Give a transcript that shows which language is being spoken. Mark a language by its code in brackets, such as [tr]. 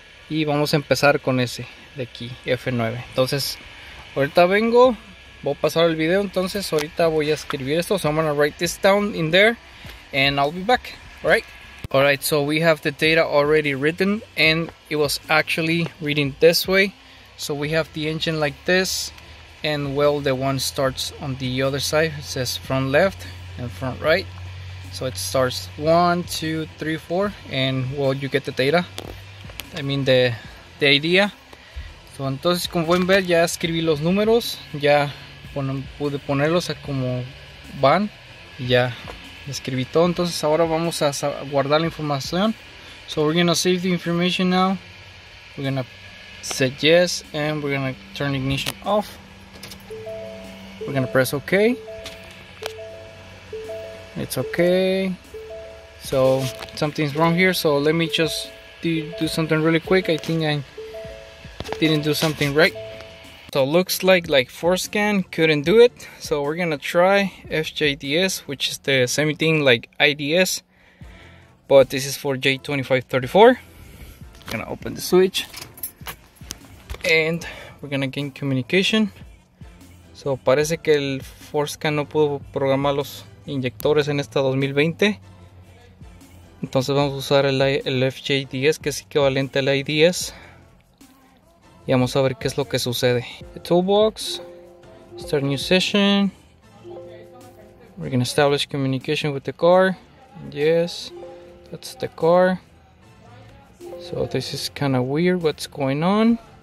[es] Y vamos a empezar con ese de aquí, F9. Entonces, ahorita vengo. Voy a pasar el video. Entonces, ahorita voy a escribir esto. [en] So I'm gonna write this down in there. And I'll be back. Alright. Alright, so we have the data already written. And it was actually reading this way. So we have the engine like this. And well, the one starts on the other side. It says front left and front right. So it starts 1, 2, 3, 4, and well, you get the data, I mean the idea. [es] So entonces, como pueden ver, ya escribí los números, ya pude ponerlos a como van, ya escribí todo. Entonces ahora vamos a guardar la información. [en] So we're gonna save the information now. We're gonna set yes, and we're gonna turn ignition off. We're gonna press OK. It's okay. So something's wrong here, so let me just do something really quick. I think I didn't do something right. So looks like Forscan couldn't do it. So we're gonna try FJDS, which is the same thing like IDS, but this is for J2534. Gonna open the switch and we're gonna gain communication. [es] So parece que el Forscan no pudo programar los inyectores en esta 2020. Entonces vamos a usar el FJDS, que es equivalente al IDS, y vamos a ver qué es lo que sucede. [en] The toolbox, start new session, we're gonna establish communication with the car. Yes, that's the car. So this is kind of weird, what's going on.